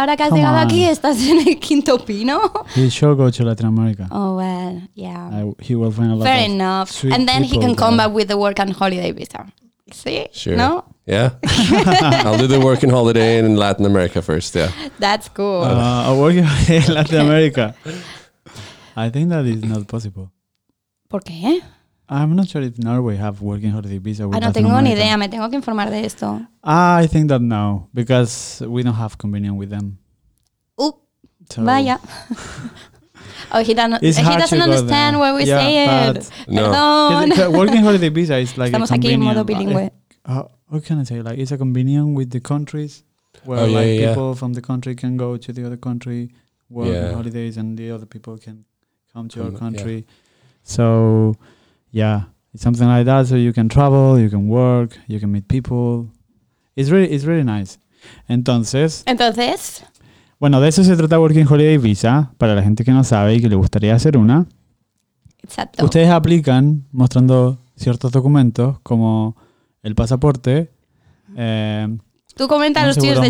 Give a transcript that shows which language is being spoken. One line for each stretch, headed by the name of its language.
Spanish: Ahora que has llegado aquí, estás en el quinto pino.
English: He should go to Latin America. Oh well, yeah. He will find a lot. Fair of enough. Sweet and then people, he can come back with the work and holiday visa. See? Sure. No. Yeah, I'll do the work and holiday in Latin America first. Yeah, that's cool. I'll work in Latin America. I think that is not possible.
Spanish: ¿Por qué?
English: I'm not sure if Norway have working holiday visa. With I don't think any idea.
Spanish: Me tengo que informar de esto.
English: I think that no, because we don't have convenience with them. Oop! So. Vaya. Oh, he doesn't understand them. What we say. No. Working holiday visa is like
Spanish: estamos
English: a convenience.
Spanish: Estamos aquí en modo bilingüe.
English: What can I say? Like, it's a convenient with the countries where people from the country can go to the other country, work on holidays, and the other people can come to your country. Yeah. So, yeah, it's something like that. So you can travel, you can work, you can meet people. It's really nice. Entonces.
Spanish: Bueno, de eso se trata Working Holiday Visa, para la gente que no sabe y que le gustaría hacer una. Exacto. Ustedes aplican mostrando ciertos documentos como el pasaporte. Tú comentas los tuyos de